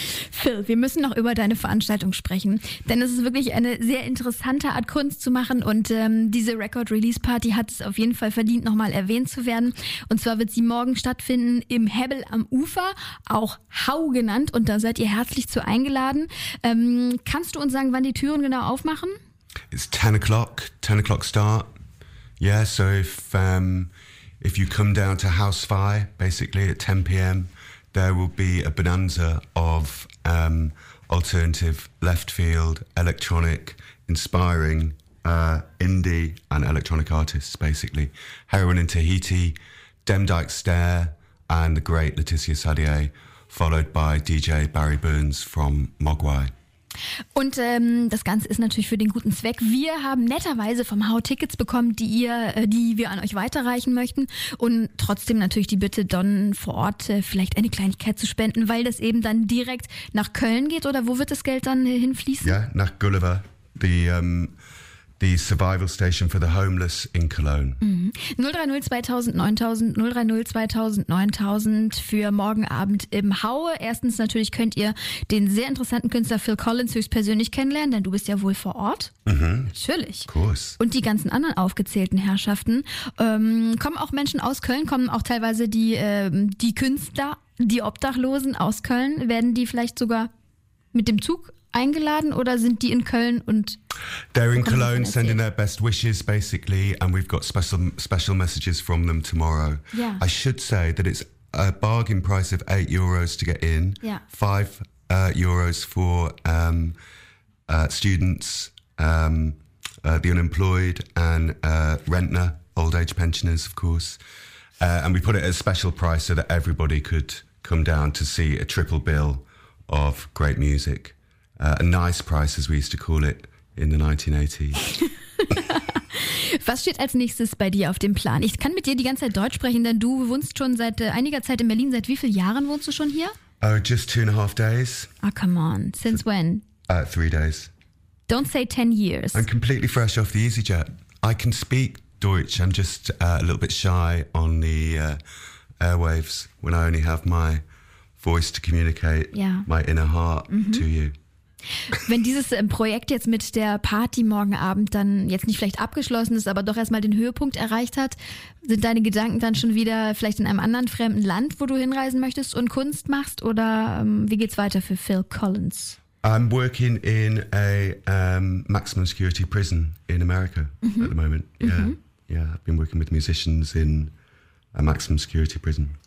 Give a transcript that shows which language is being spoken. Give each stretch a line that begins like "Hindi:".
German: Phil, wir müssen noch über deine Veranstaltung sprechen, denn es ist wirklich eine sehr interessante Art, Kunst zu machen, und diese Record Release Party hat es auf jeden Fall verdient, nochmal erwähnt zu werden. Und zwar wird sie morgen stattfinden im Hebel am Ufer, auch Hau genannt, und da seid ihr herzlich zu eingeladen. Kannst du uns sagen, wann die Türen genau aufmachen?
English: It's 10 o'clock start. Yeah, so if you come down to House Fi, basically at 10 p.m, there will be a bonanza of alternative, left field, electronic, inspiring, indie and electronic artists, basically. Heroin in Tahiti, Demdike Stare and the great Leticia Sadier, followed by DJ Barry Burns from Mogwai.
German: Und das Ganze ist natürlich für den guten Zweck. Wir haben netterweise vom Hau Tickets bekommen, die wir an euch weiterreichen möchten. Und trotzdem natürlich die Bitte, Don vor Ort vielleicht eine Kleinigkeit zu spenden, weil das eben dann direkt nach Köln geht. Oder wo wird das Geld dann hinfließen? Ja, nach Gulliver, die
English: Survival Station for the Homeless in Cologne.
German: Mhm. 030 2000 9000 für morgen Abend im Haue. Erstens natürlich könnt ihr den sehr interessanten Künstler Phil Collins höchstpersönlich kennenlernen, denn du bist ja wohl vor Ort. Mhm. Natürlich.
English: Of course.
German: Und die ganzen anderen aufgezählten Herrschaften. Kommen auch Menschen aus Köln, kommen auch teilweise die Künstler, die Obdachlosen aus Köln? Werden die vielleicht sogar mit dem Zug eingeladen oder sind die in Köln und...
English: They're in Cologne sending their best wishes, basically, and we've got special messages from them tomorrow. Yeah. I should say that it's a bargain price of €8 to get in, yeah. €5 for students, the unemployed, and rentner, old age pensioners, of course. And we put it at a special price so that everybody could come down to see a triple bill of great music. A nice price, as we used to call it in the 1980s.
German: Was steht als nächstes bei dir auf dem Plan? Ich kann mit dir die ganze Zeit Deutsch sprechen, denn du wohnst schon seit einiger Zeit in Berlin. Seit wie vielen Jahren wohnst du schon hier?
English: Oh, just 2.5 days. Oh, come on. Since when? 3 days. Don't say 10 years. I'm completely fresh off the EasyJet. I can speak Deutsch. I'm just a little bit shy on the airwaves when I only have my voice to communicate, yeah, my inner heart, mm-hmm, to you.
German: Wenn dieses Projekt jetzt mit der Party morgen Abend dann jetzt nicht vielleicht abgeschlossen ist, aber doch erstmal den Höhepunkt erreicht hat, sind deine Gedanken dann schon wieder vielleicht in einem anderen fremden Land, wo du hinreisen möchtest und Kunst machst? Oder wie geht's weiter für Phil Collins?
English: I'm working in a maximum security prison in America, mm-hmm, at the moment. Yeah, mm-hmm, yeah. I've been working with musicians in a maximum security prison.